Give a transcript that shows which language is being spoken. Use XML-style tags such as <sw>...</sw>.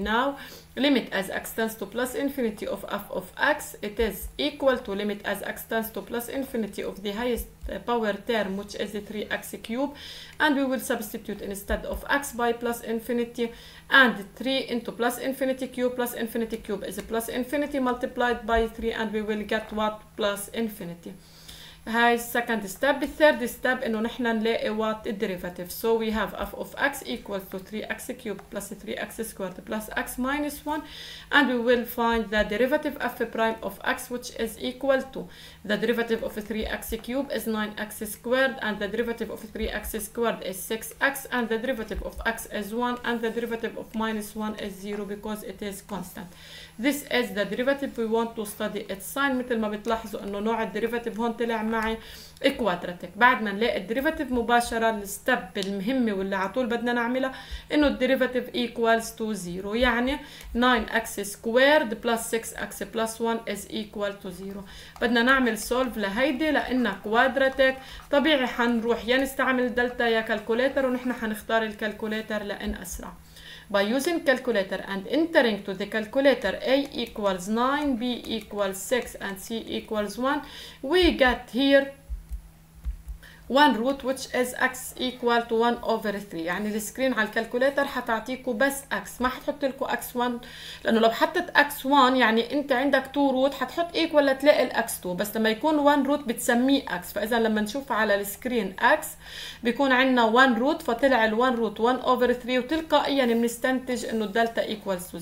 <en>Now limit as x tends to plus infinity of f of x it is equal to limit as x tends to plus infinity of the highest power term which is the 3x cube, and we will substitute instead of x by plus infinity, and 3 into plus infinity cube is plus infinity multiplied by 3, and we will get what? Plus infinity.</en> <ar>هاي السكند ستيب.</ar> <en>الثيرد ستيب</en> <ar>انه نحن نلاقي</ar> <en>What الديريفاتيف. So we have f of x equal to 3x cube plus 3x square plus x minus 1 and we will find the derivative f prime of x which is equal to the derivative of 3x cube is 9x square and the derivative of 3x square is 6x and the derivative of x is 1 and the derivative of minus 1 is 0 because it is constant. This is the derivative we want to study its sign.</en> <ar>مثل ما بتلاحظوا انه نوع الديريفاتيف هون طلع معي كوادراتيك. بعد ما نلاقي الديريفاتيف مباشره الستب المهمه واللي على طول بدنا نعملها انه الديريفاتيف ايكوالز تو 0 يعني</ar> <en>9x squared plus 6x plus 1 is equal to 0.</en> <ar>بدنا نعمل سولف لهيدي لانها كوادراتيك طبيعي حنروح يا نستعمل دلتا يا كالكوليتر ونحن حنختار الكالكوليتر لان اسرع.</ar> <en>By using calculator and entering to the calculator a equals 9, b equals 6 and c equals 1, we get here one root which is x equal to 1 over 3.</en> <ar>يعني السكرين على الكالكوليتر حتعطيكو بس x ما حتحط لكو x1 لانه لو حطت x1 يعني انت عندك 2 root حتحط equal لتلاقي ال x2 بس لما يكون 1 root بتسميه x. فاذا لما نشوف على السكرين x بيكون عندنا 1 root فطلع ال 1 root 1 over 3 وتلقائيا بنستنتج انه الدلتا</ar> <en>equals to 0.</en>